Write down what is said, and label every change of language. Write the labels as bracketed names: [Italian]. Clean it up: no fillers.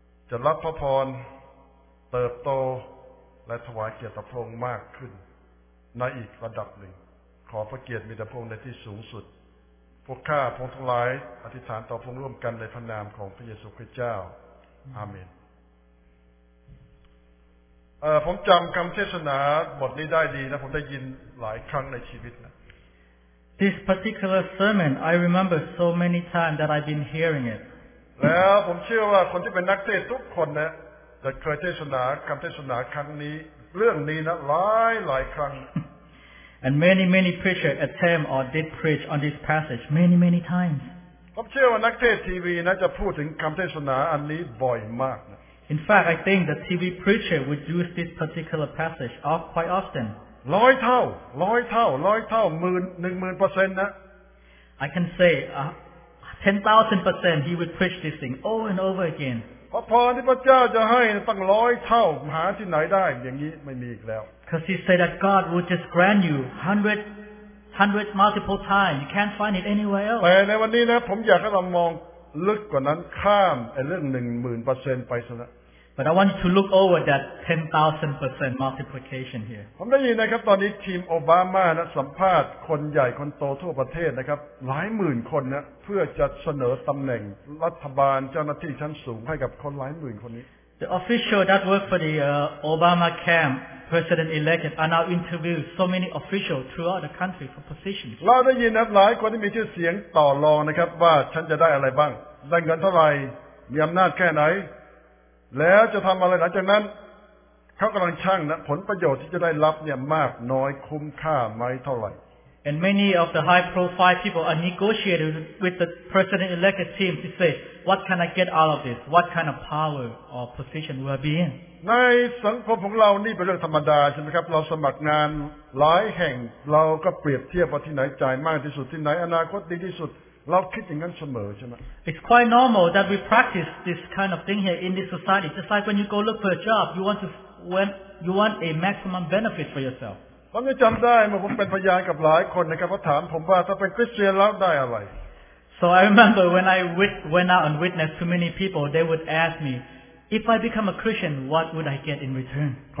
[Thai] จะรับพระพรเติบโตและถวายเกียรติพระองค์มากขึ้นในอีกระดับหนึ่งขอพระเกียรติมีแด่พระองค์ในที่สูงสุดพวกข้าพงศ์ทั้งหลายอธิษฐานต่อพระองค์ร่วมกันในพระนามของพระเยซูคริสต์เจ้าอาเมนผมจำคำเทศนาบทนี้ได้ดีนะผมได้ยินหลายครั้งในชีวิตนะ [English] This particular sermon, I remember so many times that I've been hearing it. [Thai] แล้วผมเชื่อว่าคนที่เป็นนักเทศน์ทุกคนนะจะเคยเทศนาคำเทศนาครั้งนี้เรื่องนี้นะหลายครั้ง [English] And many preachers attempt or did preach on this passage many times. [Thai] ผมเชื่อว่านักเทศน์ทีวีนะจะพูดถึงคำเทศนาอันนี้บ่อยมาก [English] In fact, I think the TV preacher would use this particular passage quite often. 100 times, 100 times, 10,000% นะ I can say 10,000% he would preach this thing over and over again. [Thai] พระพรที่พระเจ้าจะให้ตั้ง [English] 100 times [Thai] หาที่ไหนได้อย่างนี้ไม่มีอีกแล้ว [English] Because he said that God would just grant you 100 multiple times. You can't find it anywhere else. [Thai] แต่ในวันนี้นะผมอยากให้เรามองลึกกว่านั้นข้ามไอ้เรื่อง 10,000% ไปซะละ [English] But I want you to look over that 10,000% multiplication here. [Thai] ผมได้ยินนะครับตอนนี้ทีมโอบามานะสัมภาษณ์คนใหญ่คนโตทั่วประเทศนะครับหลายหมื่นคนนะเพื่อจะเสนอตำแหน่งรัฐบาลเจ้าหน้าที่ชั้นสูงให้กับคนหลายหมื่นคนนี้ [English] The official that work for the Obama camp, president elected, are now interviewing so many officials throughout the country for positions. [Thai] เราได้ยินนะหลายคนที่มีชื่อเสียงต่อรองนะครับว่าฉันจะได้อะไรบ้างได้เงินเท่าไหร่มีอำนาจแค่ไหนแล้วจะทำอะไรหลังจากนั้นเขากำลังชั่งนะผลประโยชน์ที่จะได้รับเนี่ยมากน้อยคุ้มค่าไหมเท่าไหร่ [English] And many of the high profile people are negotiating with the president elect team to say what can I get out of this what kind of power or position will I be in [Thai] ในสังคมของเรานี่เป็นเรื่องธรรมดาใช่ไหมครับเราสมัครงานหลายแห่งเราก็เปรียบเทียบว่าที่ไหนจ่ายมากที่สุดที่ไหนอนาคตดีที่สุดเราคิดอย่างนั้นเสมอใช่ไหม [English] It's quite normal that we practice this kind of thing here in this society. Just like when you go look for a job, you want a maximum benefit for yourself. [Thai] ผมจำได้เมื่อผมเป็นพยานกับหลายคนนะครับเขาถามผมว่าถ้าเป็นคริสเตียนแล้วได้อะไร [English] So I remember when I went out and witnessed to many people, they would ask me. If I become a Christian, what would I get in return?